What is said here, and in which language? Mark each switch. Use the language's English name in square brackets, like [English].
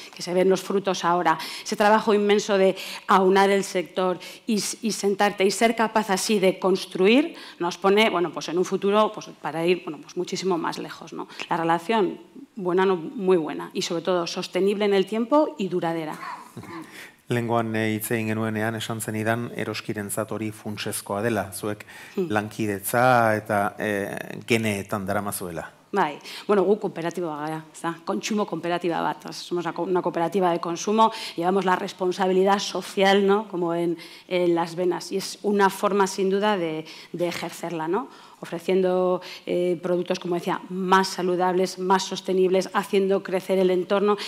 [Spanish] Que se ven los frutos ahora. Ese trabajo inmenso de aunar el sector y sentarte y ser capaz así de construir nos pone, bueno, pues en un futuro pues para ir, bueno, pues muchísimo más lejos, ¿no? La relación buena, no muy buena, y sobre todo sostenible en el tiempo y duradera. [Basque] Lenguan hitz egin genuenean esan zenidan eroskirentzat hori funtsezkoa dela, zuek lankidetza eta geneetan daramazuela. Bai. Bueno, guk kooperatiboa gara, za, kontsumo kooperatiba bat. [Spanish] Somos una cooperativa de consumo, llevamos la responsabilidad social, ¿no? Como en las venas, y es una forma sin duda de ejercerla, ¿no? Ofreciendo productos, como decía, más saludables, más sostenibles, haciendo crecer el entorno.